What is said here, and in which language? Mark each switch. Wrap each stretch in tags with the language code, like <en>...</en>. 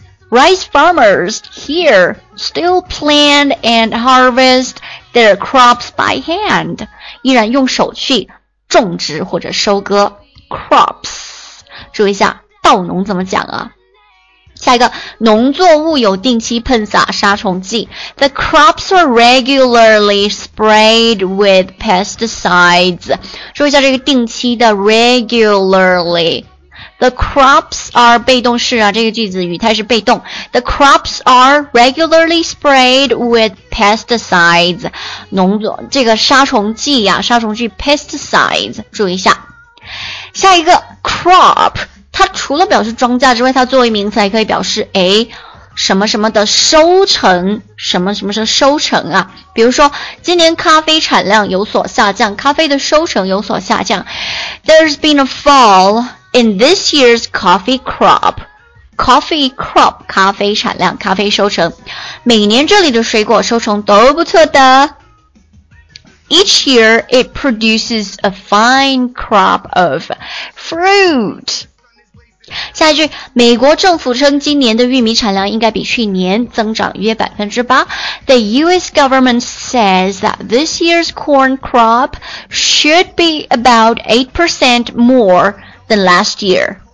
<en>Rice farmers here still plant and harvest their crops by hand.</en> <zh>依然用手去种植或者收割 crops. 注意一下，稻农怎么讲啊？下一个，农作物有定期喷洒杀虫剂。</zh> <en>The crops are regularly sprayed with pesticides.</en> <zh>注意一下这个定期的 regularly.</zh> <en>The crops are</en> <zh>被动式啊，这个句子语态是被动。</zh> <en>The crops are regularly sprayed with pesticides.</en> <zh>农作这个杀虫剂呀，杀虫剂 pesticides， 注意一下。下一个 crop， 它除了表示庄稼之外，它作为名词还可以表示，哎，什么什么的收成，什么什么是收成啊，比如说今年咖啡产量有所下降，咖啡的收成有所下降。</zh> <en>There's been a fall in this year's coffee crop.</en> <zh>Coffee crop, 咖啡产量，咖啡收成。每年这里的水果收成都不错的。</zh> <en>Each year it produces a fine crop of fruit.</en> <zh>下一句，美国政府称今年的玉米产量应该比去年增长约 8%.</zh> <en>The US government says that this year's corn crop should be about 8% more than last year.</en>